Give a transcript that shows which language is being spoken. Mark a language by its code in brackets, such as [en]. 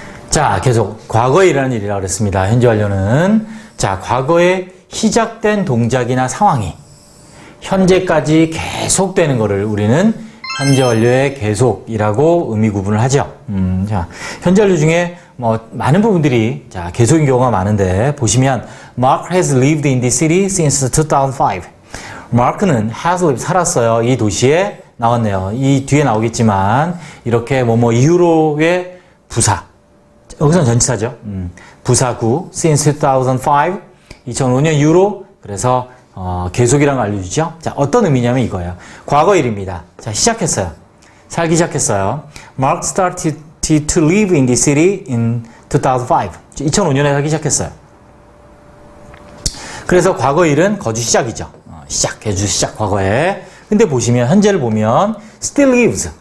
[ko] 자, 계속 과거에 일어난 일이라고 했습니다. 현재 완료는 자, 과거에 시작된 동작이나 상황이 현재까지 계속되는 것을 우리는 현재 완료의 계속이라고 의미 구분을 하죠. 자, 현재 완료 중에 뭐 많은 부분들이 자 계속인 경우가 많은데 보시면 [en] Mark has lived in this city since 2005. [ko] Mark는 has lived 살았어요. 이 도시에 나왔네요. 이 뒤에 나오겠지만 이렇게 뭐뭐 이후로의 부사 여기서는 전치사죠. 부사구 since 2005 2005년 이후로 그래서 계속이라는 걸 알려주죠. 자 어떤 의미냐면 이거예요. 과거일입니다. 자 시작했어요. 살기 시작했어요. [en] Mark started to live in this city in 2005. [ko] 2005년에 살기 시작했어요. 그래서 과거일은 거주 시작이죠. 시작, 과거에. 근데 보시면, 현재를 보면, still lives.